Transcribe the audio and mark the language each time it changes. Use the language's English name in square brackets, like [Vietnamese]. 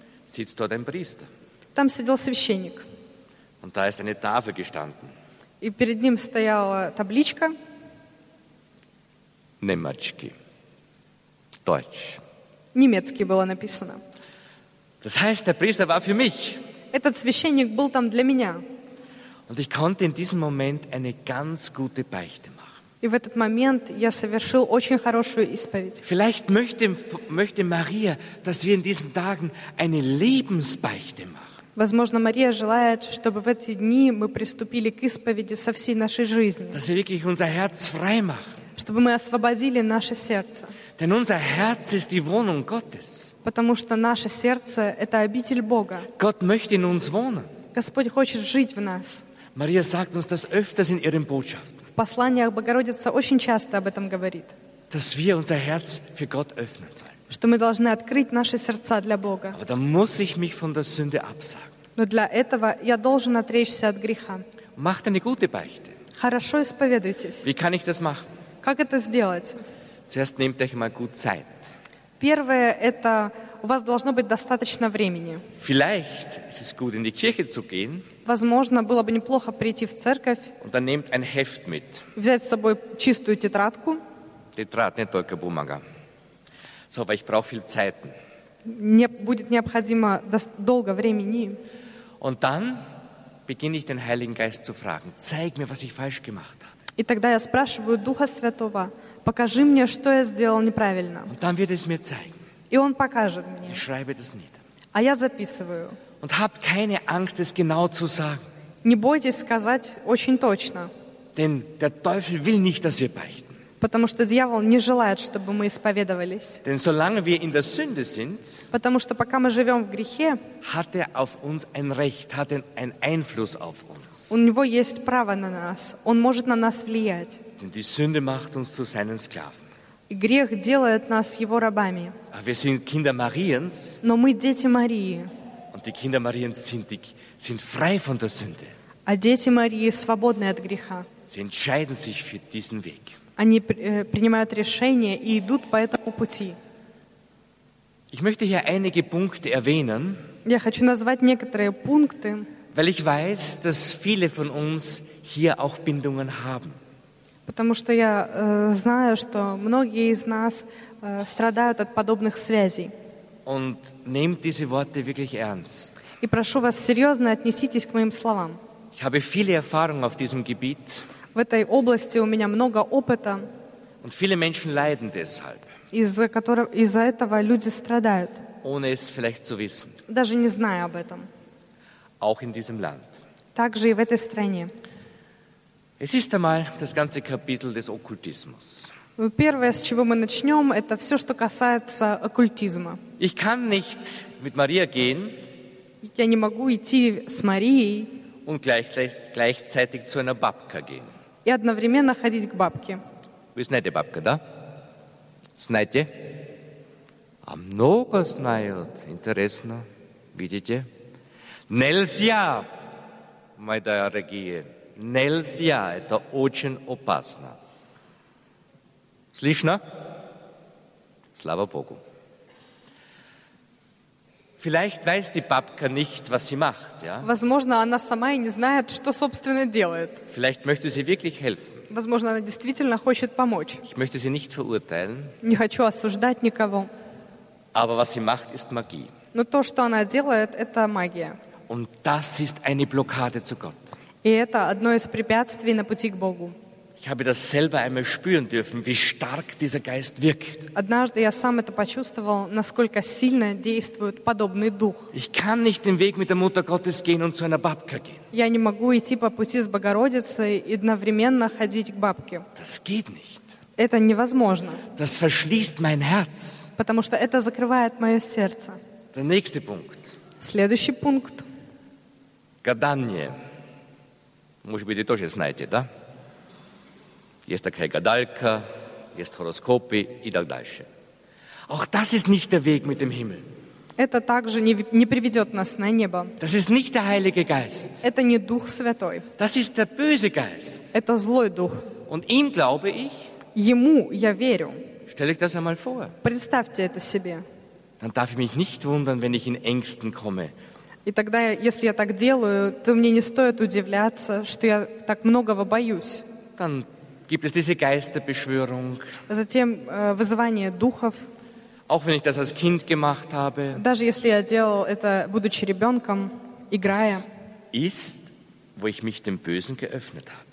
[German] sitzt dort ein Priester. [Russian] Там сидел священник. [German] Und da ist eine Tafel gestanden. [Russian] И перед ним стояла табличка. Немачки. Deutsch. Немецкий было написано. [German] Das heißt, der Priester war für mich. [Russian] Этот священник был там для меня. [German] Und ich konnte in diesem Moment eine ganz gute Beichte machen. [Russian] И в этот момент я совершил очень хорошую исповедь. [German] Vielleicht möchte Maria, dass wir in diesen Tagen eine Lebensbeichte machen. [Russian] Возможно, Мария желает, чтобы в эти дни мы приступили к исповеди со всей нашей жизни. [German] Dass wir wirklich unser Herz frei machen. [Russian] Чтобы мы освободили наше сердце. [German] Denn unser Herz ist die Wohnung Gottes. [Russian] Потому что наше сердце – это обитель Бога. [German] Gott möchte in uns wohnen. [Russian] Господь хочет жить в нас. [German] Maria sagt uns das öfters in ihren Botschaften. [Russian] В посланиях Богородица очень часто об этом говорит. [German] Dass wir unser Herz für Gott öffnen sollen. [Russian] Что мы должны открыть наши сердца для Бога. [German] Aber dann muss ich mich von der Sünde absagen. [Russian] Но для этого я должен отречься от греха. [German] Macht eine gute Beichte. [Russian] Хорошо исповедуйтесь. [German] Wie kann ich das machen? [Russian] Как это сделать? [German] Zuerst nehmt euch mal gut Zeit. [Russian] Первое – это у вас должно быть достаточно времени. [German] Vielleicht ist es gut, in die Kirche zu gehen. [Russian] Возможно, было бы неплохо прийти в церковь. [German] Und dann nehmt ein Heft mit. [Russian] Взять с собой чистую тетрадку. Тетрадь, не только бумага. [German] So, weil ich brauche viel Zeit. [Russian] Будет необходимо долго времени. [German] Und dann beginne ich den Heiligen Geist zu fragen. Zeig mir, was ich falsch gemacht habe. [Russian] И тогда я спрашиваю Духа Святого, покажи мне, что я сделал неправильно. [German] Und dann wird es mir zeigen. [Russian] И он покажет мне. [German] Ich schreibe das nieder. [Russian] А я записываю. [German] Und habt keine Angst, es genau zu sagen. [Russian] Не бойтесь сказать очень точно. [German] Denn der Teufel will nicht, dass wir beichten. [Russian] Потому что дьявол не желает, чтобы мы исповедовались. [German] Denn solange wir in der Sünde sind, [Russian] потому что пока мы живем в грехе, [German] hat er auf uns ein Recht, hat er einen Einfluss auf uns. [Russian] У него есть право на нас. Он может на нас влиять. [German] Denn die Sünde macht uns zu seinen Sklaven. [Russian] И грех делает нас его рабами. [German] Aber wir sind Kinder Mariens. [Russian] Но мы дети Марии. [German] Und die Kinder Mariens sind frei von der Sünde. [Russian] А дети Марии свободны от греха. [German] Sie entscheiden sich für diesen Weg. [Russian] Они принимают решение и идут по этому пути. [German] Ich möchte hier einige Punkte erwähnen. [Russian] Я хочу назвать некоторые пункты. [German] Weil ich weiß, dass viele von uns hier auch Bindungen haben. [Russian] Потому что я знаю, что многие из нас страдают от подобных связей. [German] Und nehmt diese Worte wirklich ernst. [Russian] И прошу вас серьезно отнеситесь к моим словам. [German] Ich habe viele Erfahrungen auf diesem Gebiet. [Russian] В этой области у меня много опыта. [German] Und viele Menschen leiden deshalb. [Russian] Из-за этого люди страдают. [German] Ohne es vielleicht zu wissen. [Russian] Даже не зная об этом. [German] Auch in diesem Land. [Russian] Также и в этой стране. [German] Es ist einmal das ganze Kapitel des Okkultismus. [Russian] Первое, с чего мы начнем, это все, что касается оккультизма. [German] Ich kann nicht mit Maria gehen. [Russian] Я не могу идти с Марией. [German] Und gleichzeitig zu einer Бабка gehen. [Russian] И одновременно ходить к бабке. Вы знаете Бабка, да? Знаете? А много знают. Интересно. Видите? Нельзя, мои дорогие, нельзя, это очень опасно. Слышно? Слава Богу. [German] Vielleicht weiß die Бабка nicht, was sie macht, ja? [Russian] Возможно, она сама и не знает, что собственно делает. [German] Vielleicht möchte sie wirklich helfen. [Russian] Возможно, она действительно хочет помочь. [German] Ich möchte sie nicht verurteilen. [Russian] Не хочу осуждать никого. [German] Aber was sie macht, ist Magie. [Russian] Но то, что она делает, это магия. [German] Und das ist eine Blockade zu Gott. [Russian] И это одно из препятствий на пути к Богу. [German] Ich habe das selber einmal spüren dürfen, wie stark dieser Geist wirkt. [Russian] Однажды я сам это почувствовал, насколько сильно действует подобный дух. [German] Ich kann nicht den Weg mit der Mutter Gottes gehen und zu einer Бабка gehen. [Russian] Я не могу идти по пути с Богородицей и одновременно ходить к Бабке. [German] Das geht nicht. [Russian] Это невозможно. [German] Das verschließt mein Herz. [Russian] Потому что это закрывает мое сердце. [German] Der nächste Punkt. [Russian] Следующий пункт. Гадание. Может быть, вы тоже знаете, да? Есть такая гадалька, есть хороскопы и так дальше. [German] Auch das ist nicht der Weg mit dem Himmel. [Russian] Это также не приведет нас на небо. [German] Das ist nicht der Heilige Geist. [Russian] Это не Дух Святой. [German] Das ist der böse Geist. [Russian] Это злой Дух. [German] Und ihm glaube ich. [Russian] Ему я верю. [German] Stell ich das einmal vor. [Russian] Представьте это себе. [German] Dann darf ich mich nicht wundern, wenn ich in Ängsten komme. [Russian] И тогда, если я так делаю, то мне не стоит удивляться, что я так многого боюсь. [German] Dann gibt es diese Geisterbeschwörung. [Russian] Затем вызывание духов. [German] Auch wenn ich das als Kind gemacht habe. [Russian] Даже если я делал это, будучи ребенком, играя. [German] Ist, wo ich mich dem Bösen geöffnet habe.